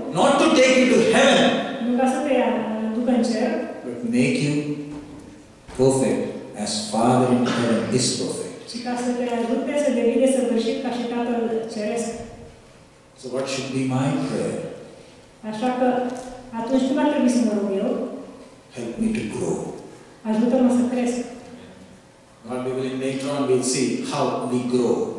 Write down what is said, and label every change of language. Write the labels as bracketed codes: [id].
[en] Not to take you to heaven. [ro] Nu ca să te ia, ducă în cer. [en] But make you perfect as Father in heaven is perfect. [ro] Și ca să te ajute să devii desăvârșit ca și Tatăl Ceresc. [en] So what should be my prayer? [ro] Așa că atunci cum ar trebui să mă rog eu? [en] Help me to grow. [ro] Ajută-mă să cresc. [en] God be willing, later on we'll see how we grow.